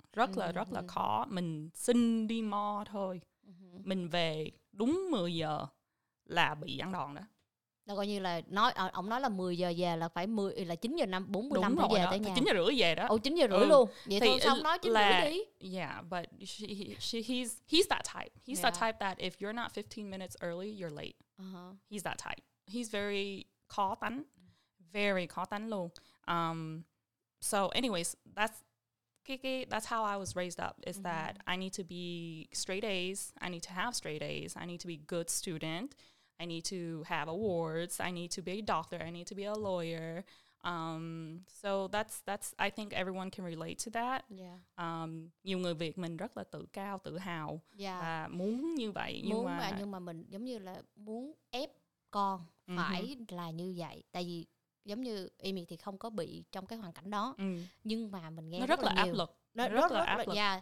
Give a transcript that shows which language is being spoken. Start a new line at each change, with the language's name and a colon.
Vietnamese: Rất là khó. Mình xin đi mò thôi. Mình về đúng 10 giờ là bị ăn đòn đó. Là coi như là nói ông nói là 10 giờ về là phải 10 là 9 giờ 5 45 phải về đó. Tới nhà. 9 giờ rưỡi về đó. Ồ 9 giờ rưỡi luôn. Vậy thì thôi xong nói 9 là, rưỡi đi.
English: Yeah, but he's that type. He's that type that if you're not 15 minutes early, you're late. He's that type. He's very
Vietnamese: khó tánh.
English: Very
Vietnamese: khó tánh luôn.
English: So anyways, that's how I was raised up is that I need to be straight A's, I need to have straight A's, I need to be a good student. I need to have awards. I need to be a doctor. I need to be a lawyer. So that's I think everyone can relate to that.
Vietnamese: Nhiều người Việt mình rất là tự cao, tự hào.
English: Yeah.
Vietnamese: Và muốn như vậy. Nhưng mà mình giống như là muốn ép con phải là như vậy. Tại vì giống như Amy thì không có bị trong cái hoàn cảnh đó. Nhưng mà mình nghe nó rất là nhiều. Áp lực. Nó rất là áp lực.